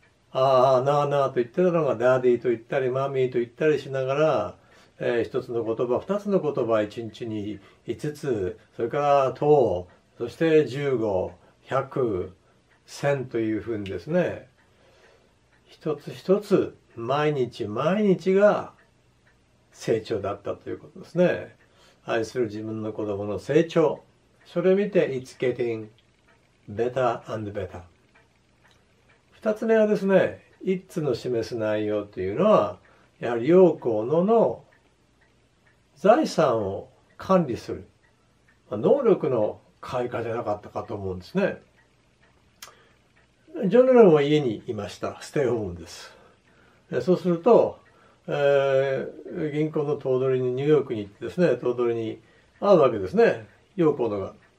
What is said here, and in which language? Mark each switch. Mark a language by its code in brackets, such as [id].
[ja] ああなあなあと言ってたのがダディと言ったりマミーと言ったりしながら、一つの言葉、二つの言葉、一日に五つ、それから十、そして15、100、千というふうにですね、一つ一つ、毎日毎日が成長だったということですね。愛する自分の子供の成長。それを見て、 [en] It's getting better and better。 [ja] 二つ目はですね、It's の示す内容というのは、やはり陽子の財産を管理する、まあ、能力の開花じゃなかったかと思うんですね。ジョン・レノンは家にいました。ステイホームです。そうすると、銀行の頭取にニューヨークに行ってですね、頭取に会うわけですね、ヨーコードが。